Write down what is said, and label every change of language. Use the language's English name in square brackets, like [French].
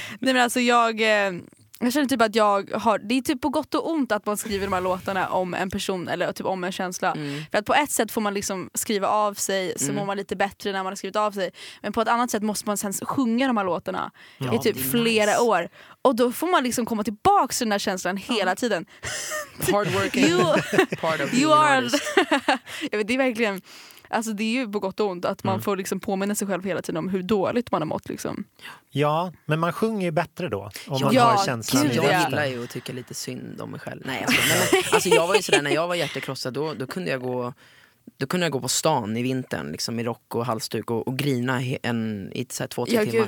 [Swedish] Nej, men alltså jag känner typ att jag har, det är typ på gott och ont att man skriver de här låtarna om en person eller typ om en känsla. För att på ett sätt får man liksom skriva av sig, så mår man lite bättre när man har skrivit av sig. Men på ett annat sätt måste man sen sjunga de här låtarna i typ flera år. Och då får man liksom komma tillbaka till den här känslan hela tiden. [English] Hard working. You, part of you are an artist. [Swedish] Jag vet, det är verkligen, alltså det är ju på gott och ont att man får liksom påminna sig själv hela tiden om hur dåligt man har mått liksom. Ja, men man sjunger ju bättre då om man har känslan. Gud, jag gillar ju att tycka lite synd om mig själv. Nej, alltså, men, alltså jag var ju sådär, när jag var hjärtekrossad då kunde jag gå, då kunde jag gå på stan i vintern liksom i rock och halsduk och grina i så här 2-3 timmar.